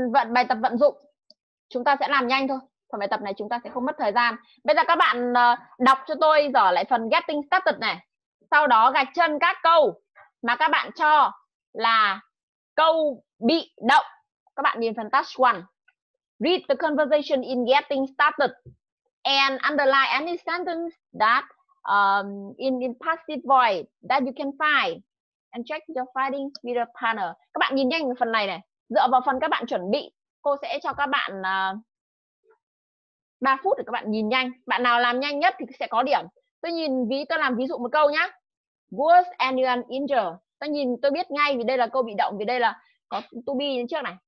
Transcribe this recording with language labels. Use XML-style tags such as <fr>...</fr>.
<vi>Bài tập vận dụng chúng ta sẽ làm nhanh thôi. Phần bài tập này chúng ta sẽ không mất thời gian. Bây giờ các bạn đọc cho tôi dở lại phần getting started này. Sau đó gạch chân các câu mà các bạn cho là câu bị động. Các bạn nhìn phần task 1.</vi> <en>Read the conversation in getting started and underline any sentence that in passive voice that you can find and check your findings with the partner.</en> <vi>Các bạn nhìn nhanh vào phần này này. Dựa vào phần các bạn chuẩn bị, cô sẽ cho các bạn 3 phút để các bạn nhìn nhanh. Bạn nào làm nhanh nhất thì sẽ có điểm. Tôi làm ví dụ một câu nhá.</vi> <en>Was anyone injured?</en> <vi>Tôi biết ngay vì đây là câu bị động, vì đây là có to be như trước này.</vi>